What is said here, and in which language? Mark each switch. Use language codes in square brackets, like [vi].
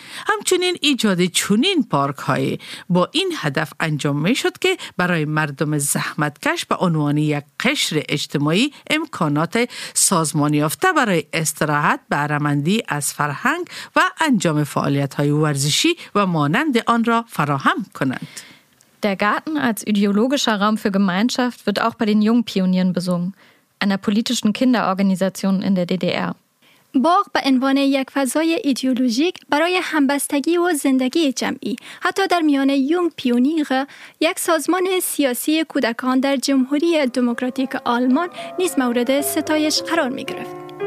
[fa] همچنین ایجاد چنین پارک های با این هدف انجام می شد که برای مردم زحمتکش به عنوان یک قشر اجتماعی امکانات سازمانیافته برای استراحت، بهره‌مندی از فرهنگ و انجام فعالیت‌های ورزشی و مانند آن را فراهم کنند. [de] Der Garten als ideologischer Raum für Gemeinschaft wird auch bei den jungen Pionieren besungen, einer politischen Kinderorganisation in der DDR. [fa] باغ به عنوان یک فضای ایدئولوژیک برای همبستگی و زندگی جمعی، حتی در میان یونگ پیونیر، یک سازمان سیاسی کودکان در جمهوری دموکراتیک آلمان نیز مورد ستایش قرار می گرفت.